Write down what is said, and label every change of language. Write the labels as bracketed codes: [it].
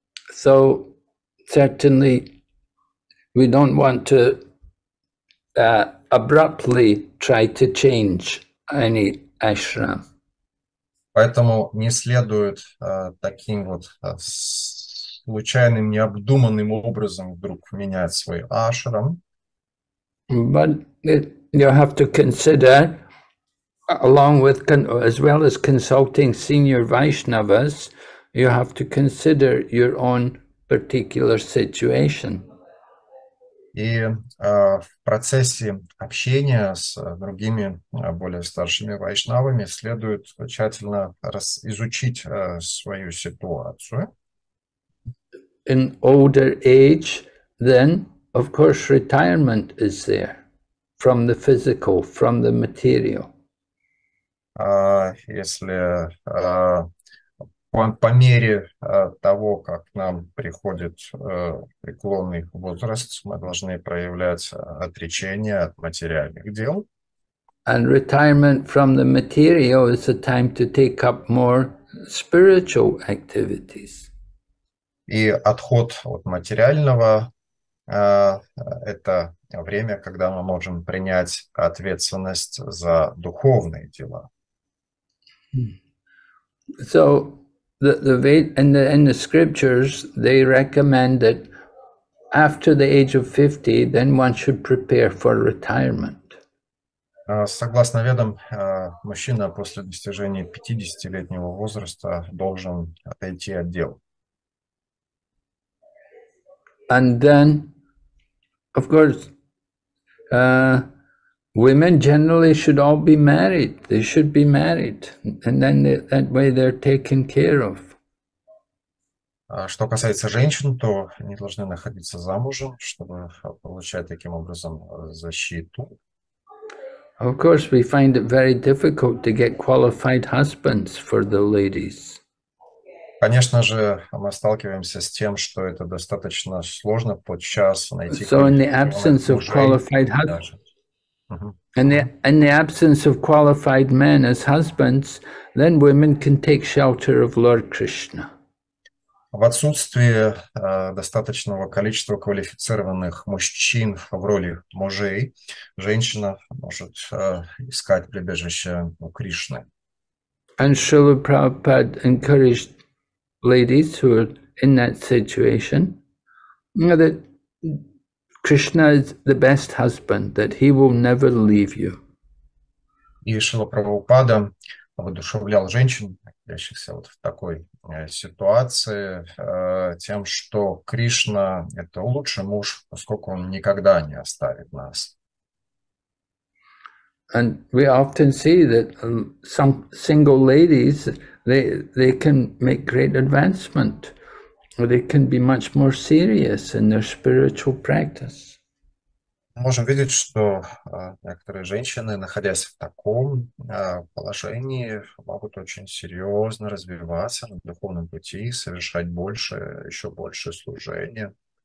[en] So, certainly, we don't want to abruptly try to change any ashram. [ru] Поэтому не следует таким вот случайным, необдуманным образом вдруг менять свой ашрам. [en] But you have to consider, as well as consulting senior Vaishnavas, you have to consider your own particular situation. [ru] И в процессе общения с другими более старшими вайшнавами следует тщательно изучить свою ситуацию. [en] In older age, then, of course, retirement is there from the physical, from the material. [ru] Если по мере того, как нам приходит преклонный возраст, мы должны проявлять отречение от материальных дел. [en] And retirement from the material is a time to take up more spiritual activities. [ru] И отход от материального это время, когда мы можем принять ответственность за духовные дела. [en] So In the scriptures, they recommend that after the age of 50, then one should prepare for retirement. [ru] Согласно ведам, мужчина после достижения 50-летнего возраста должен отойти от дел. [en] And then, of course, women generally should all be married. They should be married. And then that way they're taken care of. [ru] Что касается женщин, то они должны находиться замужем, чтобы получать таким образом защиту. [en] Of course, we find it very difficult to get qualified husbands for the ladies. [ru] Конечно же, мы сталкиваемся с тем, что это достаточно сложно подчас найти. [en] So in the absence of qualified men as husbands, then women can take shelter of Lord Krishna. [ru] В отсутствие достаточного количества квалифицированных мужчин в роли мужей, женщина может искать прибежище у Кришны. [en] And Srila Prabhupada encouraged ladies who are in that situation, you know, that Krishna is the best husband, that he will never leave you. [ru] И Шрила Прабхупада воодушевлял женщин, находящихся вот в такой ситуации, тем, что Кришна – это лучший муж, поскольку он никогда не оставит нас. [en] And we often see that some single ladies, they can make great advancement They can be much more serious in their spiritual practice. [ru] Можем видеть, что некоторые женщины, находясь в таком положении, могут очень серьезно развиваться на духовном пути, совершать больше, еще больше служения.